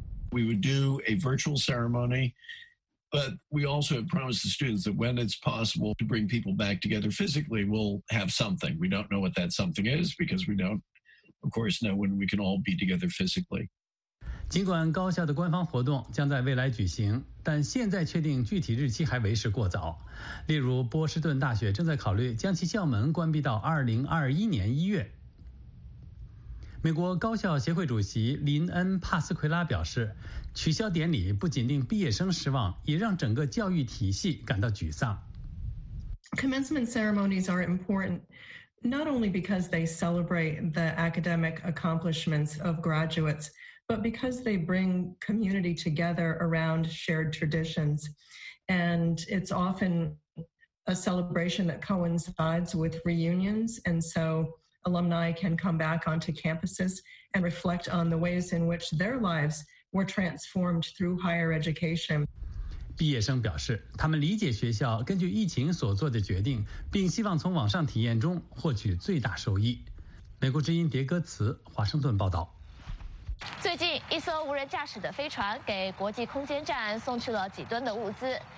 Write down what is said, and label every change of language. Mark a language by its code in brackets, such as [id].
[en] We would do a virtual ceremony, but we also have promised the students that when it's possible to bring people back together physically, we'll have something. We don't know what that something is because we don't, of course, know when we can all be together physically. [zh] 尽管高校的官方活动将在未来举行，但现在确定具体日期还为时过早。例如，波士顿大学正在考虑将其校门关闭到2021年1月。美国高校协会主席林恩·帕斯奎拉表示，取消典礼不仅令毕业生失望，也让整个教育体系感到沮丧。 [en] Commencement ceremonies are important not only because they celebrate the academic accomplishments of graduates, but because they bring community together around shared traditions. And it's often a celebration that coincides with reunions, and so alumni can come back onto campuses and reflect on the ways in which their lives were transformed through higher education. [zh] 毕业生表示，他们理解学校根据疫情所做的决定，并希望从网上体验中获取最大收益。美国之音迭戈茨，华盛顿报道。最近，一艘无人驾驶的飞船给国际空间站送去了几吨的物资。